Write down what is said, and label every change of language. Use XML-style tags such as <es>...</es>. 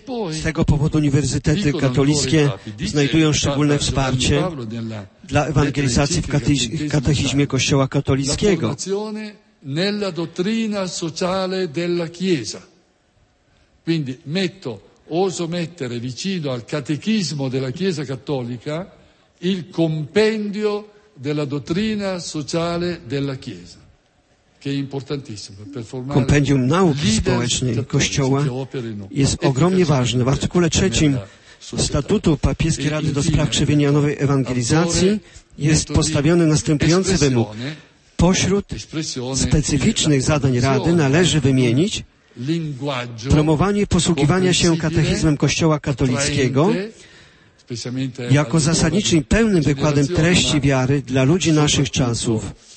<pl>Z tego powodu uniwersytety katolickie znajdują szczególne wsparcie dla ewangelizacji w katechizmie Kościoła katolickiego.</pl> <it>Nella dottrina sociale della Chiesa. Quindi metto oso mettere vicino al catechismo della Chiesa Cattolica il compendio della dottrina sociale della Chiesa, che è importantissimo per formare.</it> <pl>Compendium nauki społecznej Kościoła jest ogromnie ważne. W artykule 3 statutu Papieskiej Rady do spraw krzewienia nowej ewangelizacji jest postawiony następujący wymóg. Pośród specyficznych zadań Rady należy wymienić promowanie posługiwania się katechizmem Kościoła katolickiego jako zasadniczym, pełnym wykładem treści wiary dla ludzi naszych czasów.</pl>